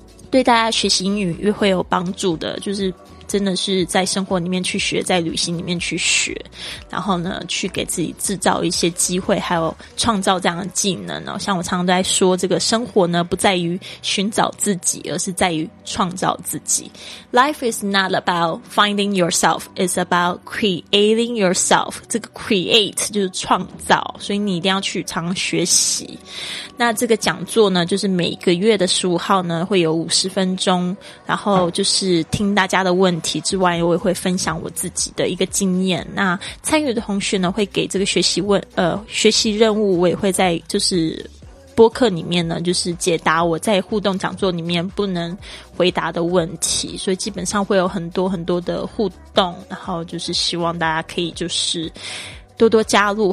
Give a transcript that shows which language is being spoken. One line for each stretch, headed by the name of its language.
Chinese: 对大家学习英语越会有帮助的，就是真的是在生活里面去学，在旅行里面去学，然后呢去给自己制造一些机会，还有创造这样的技能哦。像我常常都在说这个生活呢不在于寻找自己，而是在于创造自己。
English: Life is not about finding yourself, it's about creating yourself.
Chinese: 这个 create 就是创造，所以你一定要去常学习。那这个讲座呢就是每个月的15号呢会有50分钟，然后就是听大家的问题之外，我也会分享我自己的一个经验。那参与的同学呢会给这个学习任务，我也会在就是播客里面呢就是解答我在互动讲座里面不能回答的问题，所以基本上会有很多很多的互动，然后就是希望大家可以就是多多加入。